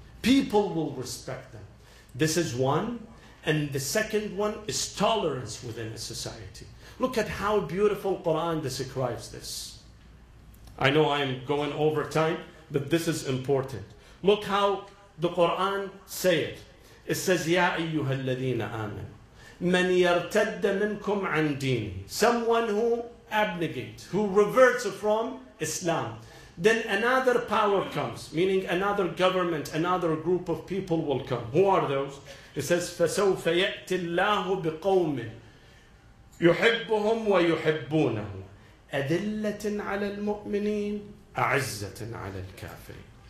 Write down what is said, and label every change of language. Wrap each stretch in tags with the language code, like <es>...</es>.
<en>People will respect them. This is one. And the second one is tolerance within a society. Look at how beautiful Quran describes this. I know I'm going over time, but this is important. Look how the Quran say it. It says,</en> <ar>يَا أَيُّهَا الَّذِينَ آمَنُوا مَنْ يَرْتَدَّ مِنْكُمْ عَنْ دِينِ.</ar> <en>Someone who abnegates, who reverts from Islam. Then another power comes, meaning another government, another group of people will come. Who are those? It says,</en> <ar>فَسَوْفَ يَأْتِ اللَّهُ بِقَوْمٍ يُحِبُّهُمْ وَيُحِبُّونَهُ أَدِلَّةٍ عَلَى الْمُؤْمِنِينَ أَعِزَّةٍ عَلَى الْكَافِرِينَ.</ar>